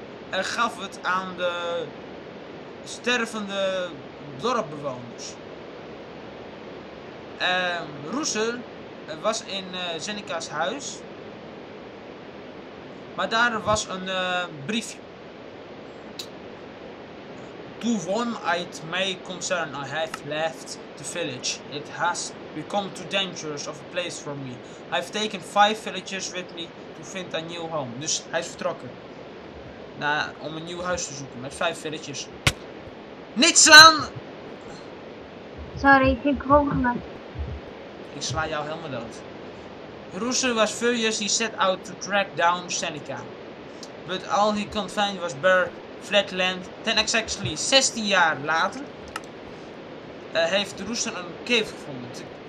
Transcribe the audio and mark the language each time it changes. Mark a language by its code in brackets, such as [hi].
[nl] En gaf het aan de stervende dorpbewoners. Roeser. Was in Zenica's huis. Maar daar was een briefje. [en] To warn it may concern I have left the village. It has become too dangerous of a place for me. I've taken 5 villagers with me to find a new home. [nl] Dus hij is vertrokken. Om een nieuw huis te zoeken met 5 villagers. Niet slaan! Sorry, ik ging gewoon met. Ik sla jou helemaal dood. [en] Rooster was furious, he set out to track down Seneca. But all he could find was bare flatland. Ten exactly [nl] 16 jaar later heeft Rooster een cave gevonden.